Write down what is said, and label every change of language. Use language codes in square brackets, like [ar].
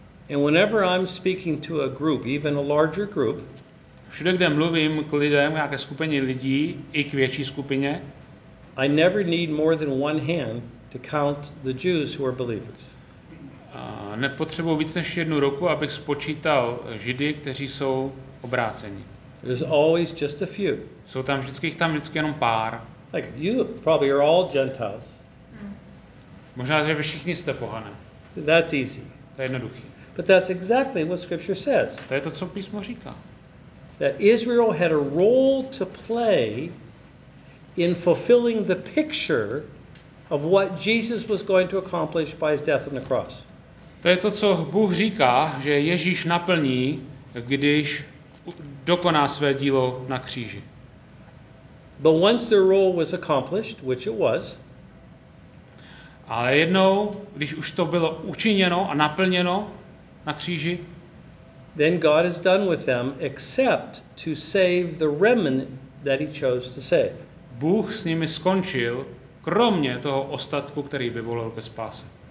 [en] And whenever I'm speaking to a group, even a larger group, [cs] všude, kde mluvím k lidem, nějaké skupině lidí, i k větší skupině, [en] I never need more than one hand to count the Jews who are believers. [cs] Nepotřebuji víc než jednu ruku, abych spočítal Židy, kteří jsou obráceni. [en] There's always just a few. [cs] Jsou tam vždycky, jich tam vždycky jenom pár. [en] Like you probably are all Gentiles. [cs] Možná, že vy všichni jste pohané. [en] That's easy. [cs] To je jednoduché. [en] But that's exactly what scripture says. [cs] To je to, co písmo říká. [en] That Israel had a role to play in fulfilling the picture of what Jesus was going to accomplish by his death on the cross. [cs] To je to, co Bůh říká, že Ježíš naplní, když dokoná své dílo na kříži. [en] But once their role was accomplished, which it was, [cs] ale jednou, když už to bylo učiněno a naplněno na kříži, [en] then God is done with them except to save the remnant that he chose to save. [cs] Bůh s nimi skončil, kromě toho ostatku, který vyvolil ke spáse.